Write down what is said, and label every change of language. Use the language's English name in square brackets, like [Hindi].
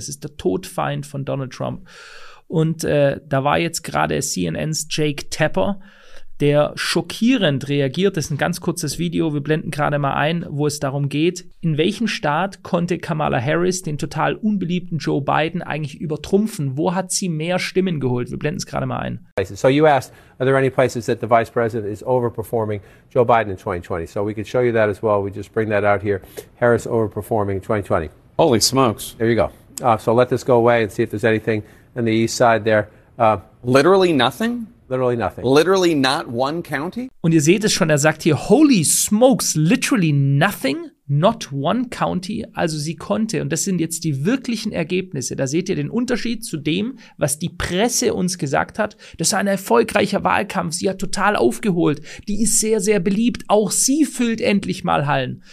[German] Das ist der Todfeind von Donald Trump. Und da war jetzt gerade CNNs Jake Tapper, der schockierend reagiert. Das ist ein ganz kurzes Video. Wir blenden gerade mal ein, wo es darum geht. In welchem Staat konnte Kamala Harris den total unbeliebten Joe Biden eigentlich übertrumpfen? Wo hat sie mehr Stimmen geholt? Wir blenden es gerade mal ein. [English] So you asked, are there any places that the vice president is overperforming Joe Biden in 2020? So we could show you that as well. We just bring that out here. Harris overperforming 2020. Holy smokes. There you go. So let this go away and see if there's anything in the east side there. Literally nothing? Literally nothing. Literally not one county? [German] Und ihr seht es schon, er sagt hier, [English] holy smokes, literally nothing? not one county, [German] also sie konnte, und das sind jetzt die wirklichen Ergebnisse, da seht ihr den Unterschied zu dem, was die Presse uns gesagt hat, das war ein erfolgreicher Wahlkampf, sie hat total aufgeholt, die ist sehr, sehr beliebt, auch sie füllt endlich mal Hallen.